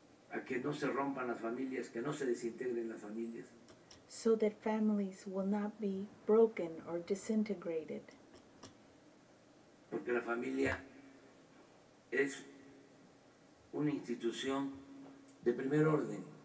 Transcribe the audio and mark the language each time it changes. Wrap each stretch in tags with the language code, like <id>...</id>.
<es>A que no se rompan las familias, que no se desintegren las familias.</es> <en>So that families will not be broken or disintegrated.</en> <es>Porque la familia es una institución de primer orden.</es>